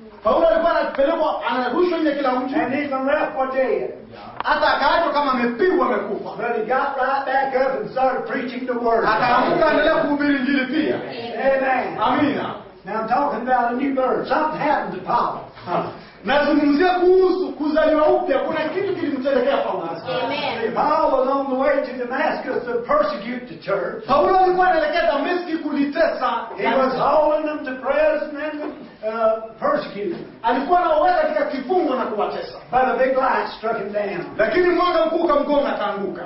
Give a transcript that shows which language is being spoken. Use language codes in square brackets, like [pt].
[sw] Paulo alikuwa anapelekwa anarushwa nje kila mtu. [en] And even left for dead. [sw] Hata akaachwa kama amepigwa amekufa. [en] But he got right back up and started preaching the word. [sw] Akaamka endelea kuhubiri injili pia. Amen. Amina. [en] Now I'm talking about a new birth. Something happened to Paul. [sw] Nazungumzia kuhusu kuzaliwa upya. Kuna kitu kilimtendekea Paulo. Amen. [en] Paul was on the way to Damascus to persecute the church. [sw] Paulo alikuwa anaelekea Damascus kulitesa. [en] He was hauling them to prison and persecuted. [sw] Alikuwa anaweka katika kifungo na kuwatesa. [en] But a big light struck him down. [sw] Lakini mwanga mkuu kamgonga akaanguka.